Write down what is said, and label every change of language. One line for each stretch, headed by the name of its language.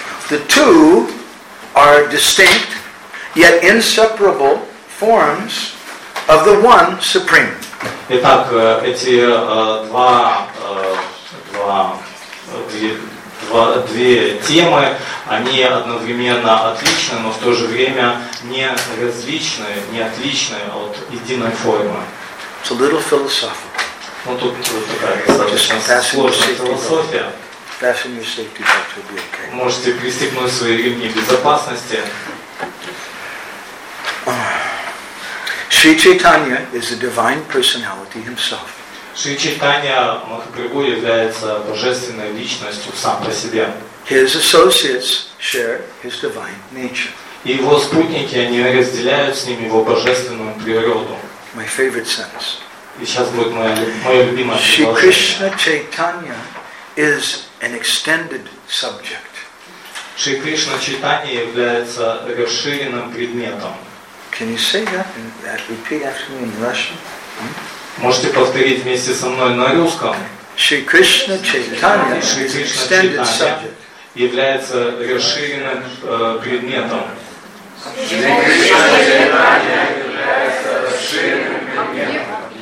English: The two are distinct, yet inseparable forms of the one supreme.
Russian: Итак, эти две темы, они одновременно отличны, но в то же время не различны, не отличны от единой формы.
English: It's a little philosophical.
Russian: Ну тут достаточно сложная философия.
English: Fasten your safety belt, will be okay.
Russian: Можете пристегнуть свои ремни безопасности.
English: Шри Чайтанья is the divine personality himself.
Russian: Шри Чайтанья Махапрабху является божественной личностью сам по себе.
English: His associates share his divine nature.
Russian: Его спутники, они разделяют с ним его божественную природу.
English: My favorite sentence.
Russian: И сейчас будет моя любимая предложение.
English: Шри Кришна Чайтанья is an extended subject.
Russian: Шри Кришна Чайтанья является расширенным предметом.
English: Can you say that in that repeat after me in Russian?
Russian: Можете повторить вместе со мной на русском?
English: Шри Кришна Чайтанья is an extended subject.
Russian: Является расширенным предметом. Шри Кришна Чайтанья является расширенным предметом.